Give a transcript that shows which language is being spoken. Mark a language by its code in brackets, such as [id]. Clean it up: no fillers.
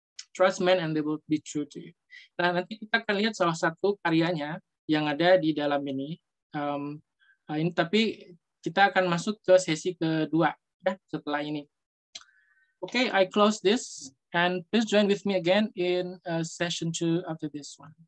[en] Trust men and they will be true to you. [id] Nah, nanti kita akan lihat salah satu karyanya yang ada di dalam ini. Ini tapi kita akan masuk ke sesi kedua ya, setelah ini. [en] Okay, I close this, and please join with me again in session two after this one.